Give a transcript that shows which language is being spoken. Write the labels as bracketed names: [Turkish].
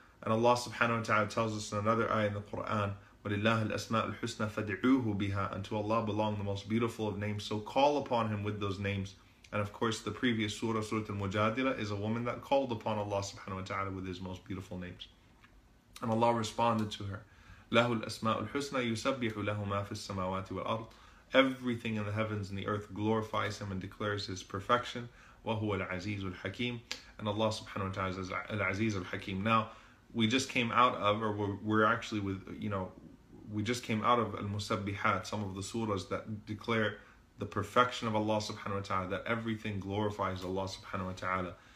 [English] And Allah subhanahu wa ta'ala tells us in another ayah in the Qur'an, [Arabic] وَلِلَّهِ الْأَسْمَاءُ الْحُسْنَى فَدْعُوهُ بِهَا. [English] And to Allah belong the most beautiful of names. So call upon Him with those names. And of course, the previous surah, Surah Al-Mujadila, is a woman that called upon Allah subhanahu wa ta'ala with His most beautiful names. And Allah responded to her, [Arabic] لَهُ الْأَسْمَاءُ الْحُسْنَى يُسَبِّحُ لَهُ مَا فِي السَّمَاوَاتِ وَالْأَرْضِ. [English] Everything in the heavens and the earth glorifies Him and declares His perfection. [Arabic] وَهُوَ الْعَزِيزُ الْحَكِيمُ. [English] And Allah subhanahu wa ta'ala says, [Arabic] الْعَزِيزُ الْحَكِيمُ. [English] Now, we just came out of, or we're actually with, you know, we just came out of Al-Musabbihat, some of the surahs that declare the perfection of Allah subhanahu wa ta'ala, that everything glorifies Allah subhanahu wa ta'ala.